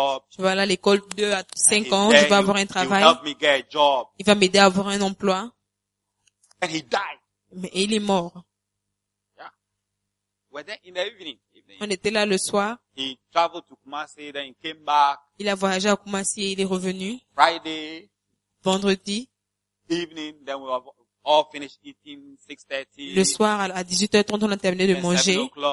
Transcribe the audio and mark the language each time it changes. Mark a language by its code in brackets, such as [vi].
[fr] Je vais aller à l'école 2 à 5 ans, je vais avoir un travail. Il va m'aider à avoir un emploi. [en] And he died. [fr] Mais il est mort. [en] Yeah. We're there in the evening. [fr] On était là le soir. [en] He traveled to Kumasi, then he came back. [fr] Il a voyagé à Kumasi et il est revenu. [en] Friday. [fr] Vendredi. [en] Evening, then we have all finished eating 6:30. [fr] Le soir à 18h30 on a terminé de manger.